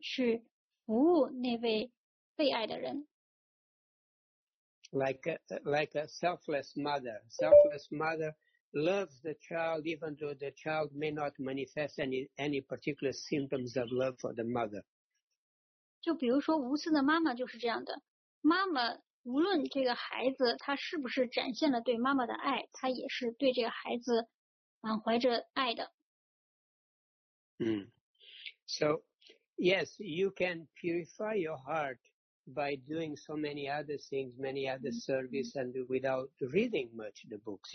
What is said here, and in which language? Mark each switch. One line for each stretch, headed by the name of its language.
Chinese: 那么这个其实也就是爱的程序。爱呢，就是去服务那位被爱的人。
English: Like a selfless mother. Selfless mother loves the child even though the child may not manifest any particular symptoms of love for the mother.
Chinese: 就比如说无私的妈妈就是这样的。妈妈无论这个孩子他是不是展现了对妈妈的爱，他也是对这个孩子满怀着爱的。
English: So, yes, you can purify your heart by doing so many other things, many other service, and without reading much the books.